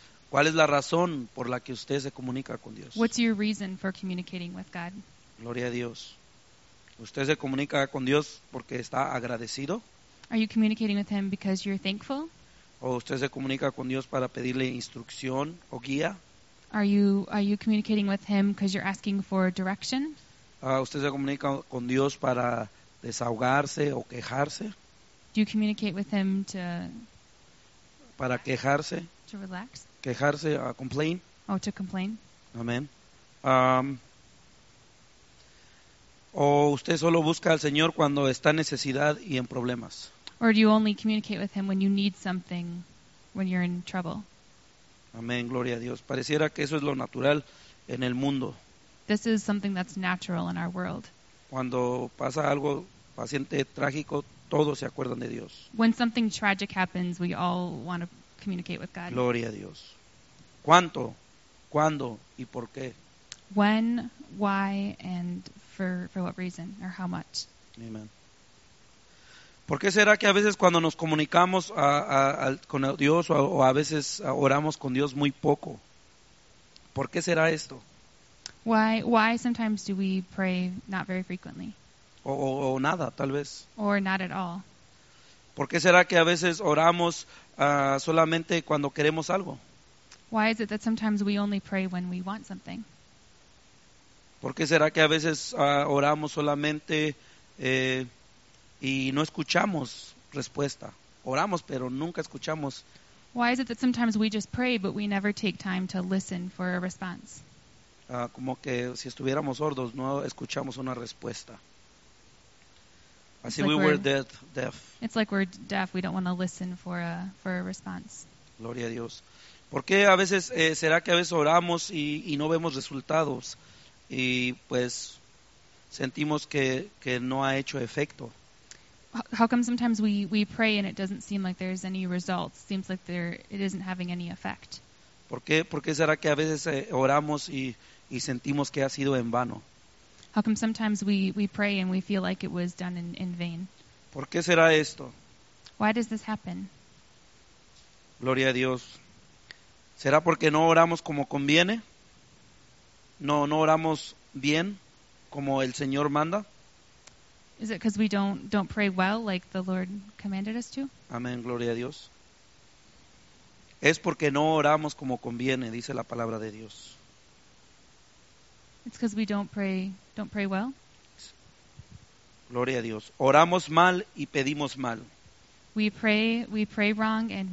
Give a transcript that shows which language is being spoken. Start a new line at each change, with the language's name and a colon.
Spanish: ¿Cuál es la razón por la que usted se comunica con Dios?
English: What's your reason for communicating with God?
Spanish: Gloria a Dios. ¿Usted se comunica con Dios porque está agradecido?
English: Are you communicating with him because you're thankful?
Spanish: ¿O usted se comunica con Dios para pedirle instrucción o guía?
English: Are you communicating with him because you're asking for direction?
Spanish: ¿Usted se comunica con Dios para desahogarse o quejarse?
English: Do you communicate with him to
Spanish: para quejarse?
English: To relax?
Spanish: Quejarse, complain?
English: Oh, to complain.
Spanish: Amén. ¿O usted solo busca al Señor cuando está en necesidad y en problemas?
English: Or do you only communicate with him when you need something, when you're in trouble?
Spanish: Amén, gloria a Dios. Pareciera que eso es lo natural en el mundo.
English: This is something that's natural in our world.
Spanish: Cuando pasa algo paciente trágico, todos se acuerdan de Dios.
English: When something tragic happens, we all want to communicate with God.
Spanish: Gloria a Dios. ¿Cuánto? ¿Cuándo? ¿Y por qué?
English: When, why, and for what reason, or how much? Amen.
Spanish: ¿Por qué será que a veces cuando nos comunicamos con Dios o a veces oramos con Dios muy poco? ¿Por qué será esto?
English: Why sometimes do we pray not very frequently?
Spanish: O nada, tal vez.
English: Or not at all.
Spanish: ¿Por qué será que a veces oramos solamente cuando queremos algo?
English: Why is it that sometimes we only pray when we want something?
Spanish: ¿Por qué será que a veces oramos solamente y no escuchamos respuesta? Oramos, pero nunca escuchamos.
English: Why is it that sometimes we just pray, but we never take time to listen for a response?
Spanish: Como que si estuviéramos sordos, no escuchamos una respuesta.
English: Así we're deaf. It's like we're deaf, we don't want to listen for a response.
Spanish: Gloria a Dios. ¿Por qué a veces, será que a veces oramos y no vemos resultados? Y pues sentimos que no ha hecho efecto.
English: How come sometimes we pray and it doesn't seem like there's any results? Seems like it isn't having any effect.
Spanish: ¿Por qué será que a veces oramos y sentimos que ha sido en vano?
English: How come sometimes we pray and we feel like it was done in vain?
Spanish: ¿Por qué será esto?
English: Why does this happen?
Spanish: Gloria a Dios. ¿Será porque no oramos como conviene? No oramos bien como el Señor manda.
English: Is it because we don't pray well like the Lord commanded us to?
Spanish: Amén, gloria a Dios. Es porque no oramos como conviene, dice la palabra de Dios.
English: It's because we don't pray well.
Spanish: Gloria a Dios. Oramos mal y pedimos mal.
English: We pray wrong and